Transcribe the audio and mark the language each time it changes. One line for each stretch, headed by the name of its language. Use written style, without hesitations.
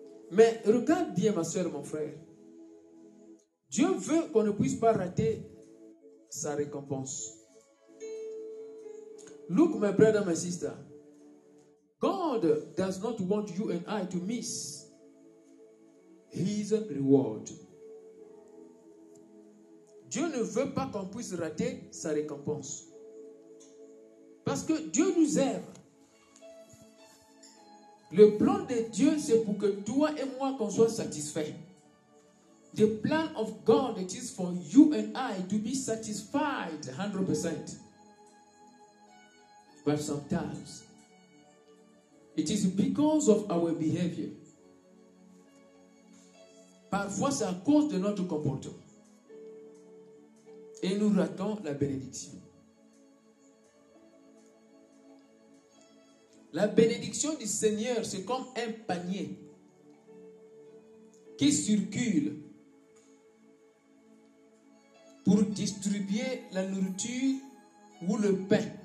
French: Mais regarde bien, ma soeur, mon frère. Dieu veut qu'on ne puisse pas rater sa récompense.
English: Look, my brother, my sister. God does not want you and I to miss his reward.
French: Dieu ne veut pas qu'on puisse rater sa récompense. Parce que Dieu nous aime. Le plan de Dieu, c'est pour que toi et moi, qu'on soit satisfaits.
English: The plan of God, it is for you and I to be satisfied 100%. But sometimes, it is because of our behavior.
French: Parfois, c'est à cause de notre comportement. Et nous ratons la bénédiction. La bénédiction du Seigneur, c'est comme un panier qui circule pour distribuer la nourriture ou le pain.